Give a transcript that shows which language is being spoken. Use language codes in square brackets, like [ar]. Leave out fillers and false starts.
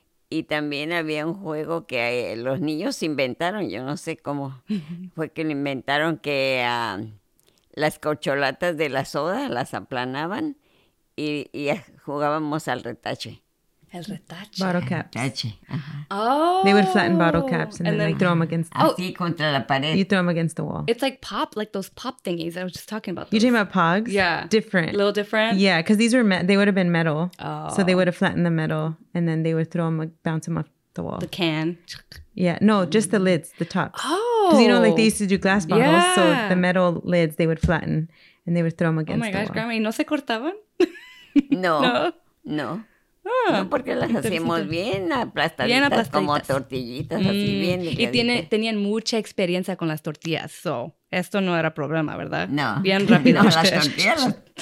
[es] Y también había un juego que los niños inventaron, yo no sé cómo fue que lo inventaron, que las corcholatas de la soda las aplanaban y jugábamos al retache. El retache. [en] Bottle caps. [es] Retache. [en] Uh-huh. Oh. They would flatten bottle caps and then like throw them against the wall. [es] Así contra la pared. [en] You throw them against the wall. It's like pop, like those pop thingies. I was just talking about those. You're talking about pogs? Yeah. Different. A little different? Yeah, because these were they would have been metal. Oh. So they would have flattened the metal and then they would throw them, like, bounce them off the wall. The can. Yeah. No, just the lids, the tops. Oh. Because, you know, like they used to do glass bottles. Yeah. So the metal lids, they would flatten and they would throw them against the wall. Oh my gosh, Grandma. [es] ¿Y no se cortaban? No. No. No, porque las hacíamos bien aplastaditas, como tortillitas, así bien. Y tenían mucha experiencia con las tortillas, so esto no era problema, ¿verdad? No. Bien rápido. No, las tortillas.